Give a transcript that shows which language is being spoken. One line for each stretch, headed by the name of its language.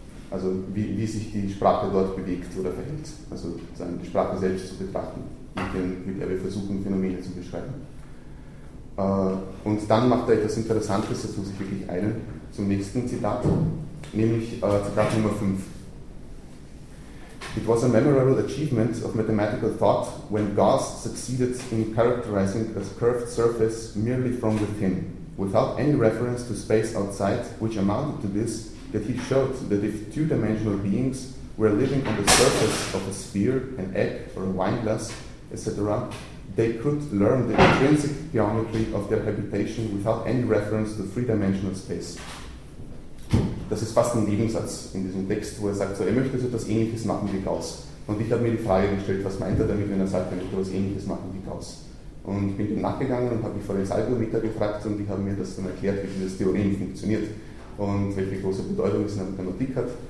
German: Also wie sich die Sprache dort bewegt oder verhält. Also die Sprache selbst zu betrachten, mit der wir versuchen, Phänomene zu beschreiben. Und dann macht er etwas Interessantes, das muss ich wirklich eilen, zum nächsten Zitat, nämlich Zitat Nummer 5.
English: It was a memorable achievement of mathematical thought when Gauss succeeded in characterizing a curved surface merely from within, without any reference to space outside, which amounted to this, that he showed that if two-dimensional beings were living on the surface of a sphere, an egg, or a wine glass, etc., they could learn the intrinsic geometry of their habitation without any reference to three-dimensional space.
German: Das ist fast ein Nebensatz in diesem Text, wo er sagt, so, er möchte so etwas Ähnliches machen wie Gauss. Und ich habe mir die Frage gestellt, was meint er damit, wenn er sagt, er möchte etwas Ähnliches machen wie Gauss. Und ich bin dann nachgegangen und habe mich vor den Salgometer gefragt und die haben mir das dann erklärt, wie dieses Theorem funktioniert und welche große Bedeutung es in der Mathematik hat.